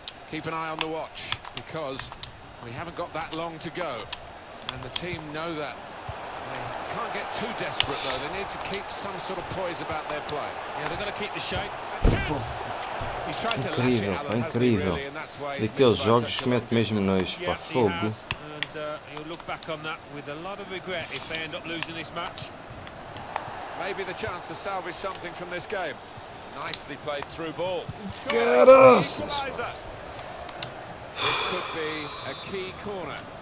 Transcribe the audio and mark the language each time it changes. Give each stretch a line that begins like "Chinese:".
English: Keep an eye on the watch because we haven't got that long to go. And the team know that. They can't get too desperate though. They need to keep some sort of poise about their play. Yeah, they're going to keep the shape. He's trying incrível, to lash it out.
Portuguese: Aqueles jogos que mete mesmo nojo, pá, fogo.
English: And he'll look back on that with a lot of regret if they end up losing this match. Maybe the chance to salvage something from this game. Nicely played through ball. Get us! This could be a key corner.